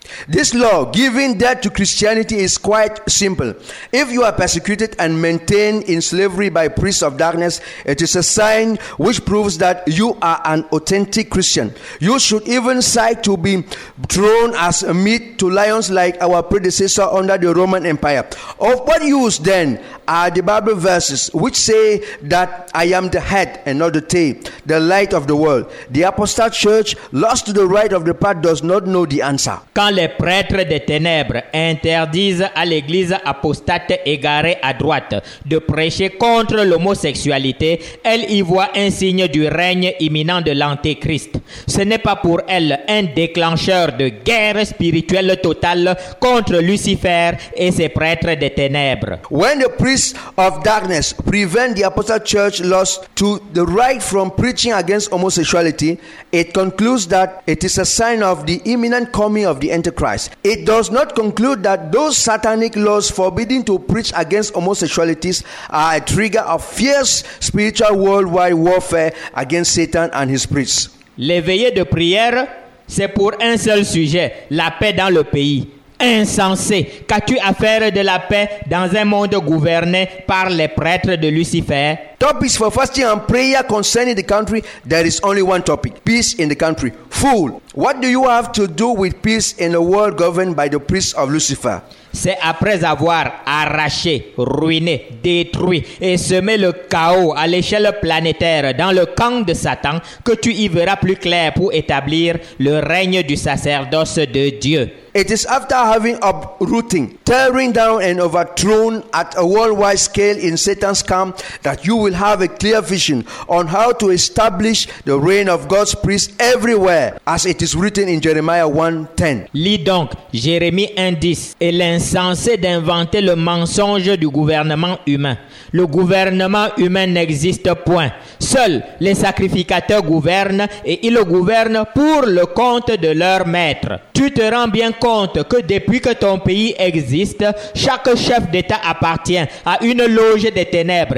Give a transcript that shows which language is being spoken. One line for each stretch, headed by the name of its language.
English: This law giving death to Christianity is quite simple. If you are persecuted and maintained in slavery by priests of darkness, it is a sign which proves that you are an authentic Christian. You should even sigh to be thrown as meat to lions like our predecessor under the Roman Empire. Of what use then are the Bible verses which say that I am the head and not the tail, the light of the world? The apostate church, lost to the right of the path, does not know the answer.
French: Quand les prêtres des ténèbres interdisent à l'église apostate égarée à droite de prêcher contre l'homosexualité, elle y voit un signe du règne imminent de l'antéchrist. Ce n'est pas pour elle un déclencheur de guerre spirituelle totale contre Lucifer et ses prêtres des ténèbres.
English: When the priests of darkness prevent the apostate church lost to the right from preaching against homosexuality, it concludes that it is a sign of the imminent coming of the Antichrist. It does not conclude that those satanic laws forbidding to preach against homosexualities are a trigger of fierce spiritual worldwide warfare against Satan and his priests.
French: Les veillées de prière, c'est pour un seul sujet, la paix dans le pays. Insensé, qu'as-tu à faire de la paix dans un monde gouverné par les prêtres de Lucifer?
English: Topics for fasting and prayer concerning the country, there is only one topic: peace in the country. Fool, what do you have to do with peace in a world governed by the priests of Lucifer?
French: C'est après avoir arraché, ruiné, détruit et semé le chaos à l'échelle planétaire dans le camp de Satan que tu y verras plus clair pour établir le règne du sacerdoce de Dieu.
English: It is after having uprooting, tearing down and overthrown at a worldwide scale in Satan's camp that you will have a clear vision on how to establish the reign of God's priests everywhere, as it is written in Jeremiah 1:10.
French: Lis donc Jérémie 1:10 et l'insensé d'inventer le mensonge du gouvernement humain. Le gouvernement humain n'existe point. Seuls les sacrificateurs gouvernent et ils gouvernent pour le compte de leur maître. Tu te rends bien compte que depuis que ton pays existe, chaque chef d'État appartient à une loge des ténèbres.